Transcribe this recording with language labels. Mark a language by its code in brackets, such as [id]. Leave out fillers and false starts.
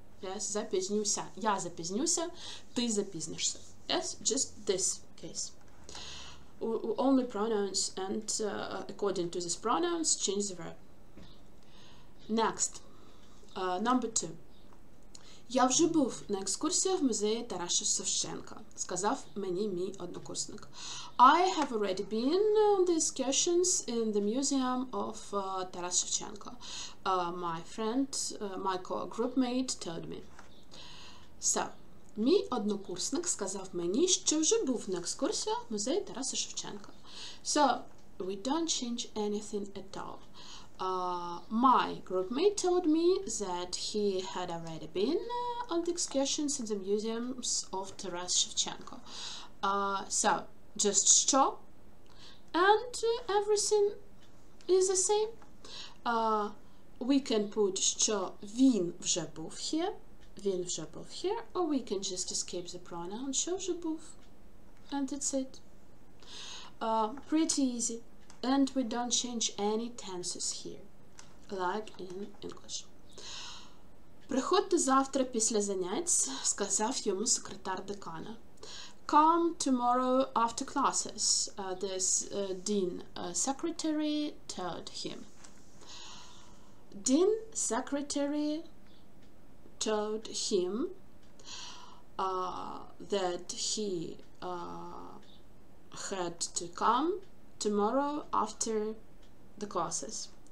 [uk] Yes, запізнюся, я запізнюся, ти запізнишся. [en] Yes, just this case. Only pronouns and according to these pronouns, change the verb. Next, number two. [uk] Я вже був на екскурсії в музеї Тараса Шевченка, сказав мені мій однокурсник. [en] I have already been on the excursions in the museum of Taras Shevchenko. My friend, my co-groupmate told me. [uk] So, мій однокурсник сказав мені, що вже був на екскурсії в музеї Тараса Шевченка. [en] So, we don't change anything at all. My groupmate told me that he had already been on the excursions in the museums of Taras Shevchenko. So, just що? And everything is the same. We can put [uk] що він вже був [en] here. [uk] Він вже був [en] here. Or we can just escape the pronoun [uk] що вже був. [en] And that's it. Pretty easy. And we don't change any tenses here, like in English. [uk] Приходьте завтра після занять, сказав йому секретар декана. [en] Come tomorrow after classes, this dean secretary told him. Dean secretary told him that he had to come tomorrow after the classes.